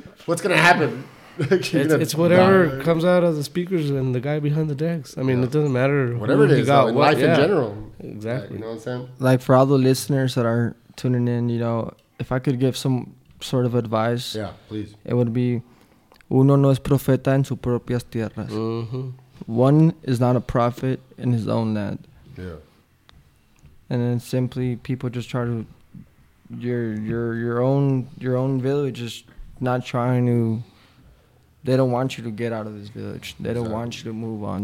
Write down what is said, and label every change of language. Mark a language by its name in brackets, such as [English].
[English] What's going to happen? it's whatever comes out of the speakers and the guy behind the decks. I mean, it doesn't matter. Whatever it is, in general. Exactly. You know what I'm saying? Like, for all the listeners that are tuning in, you know, if I could give some sort of advice. Yeah, please. It would be... [Spanish] Uno no es profeta en sus propias tierras. Mm-hmm. [English] One is not a prophet in his own land. Yeah. And then simply people just try to your own village is not trying to. They don't want you to get out of this village. They don't want you to move on.